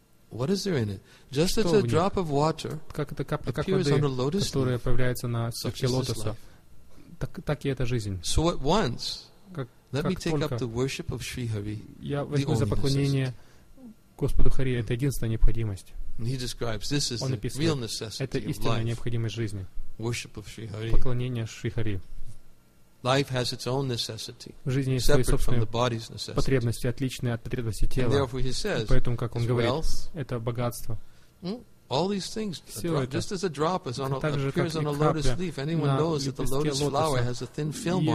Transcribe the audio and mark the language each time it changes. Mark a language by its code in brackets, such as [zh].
[en] What is there in it? Just as a drop of water appears on a lotus leaf, such is this life. [ru] Так и эта жизнь. [en] So at once, let me take up the worship of Sri Hari. [ru] Я возьму за поклонение Господу Хари. Это единственная необходимость. [en] He describes this as the real necessity of life. Worship of Sri Hari. [ru] Поклонение Шри Хари. [en] Life has its own necessity. [ru] В жизни есть свои собственные потребности, отличные от потребностей тела. [en] He says, [ru] и поэтому, как он говорит, wealth, это богатство. [en] All these things, [ru] все это. [en] Just as a drop is on a, appears on a lotus leaf, anyone knows that the lotus flower has a thin film on it.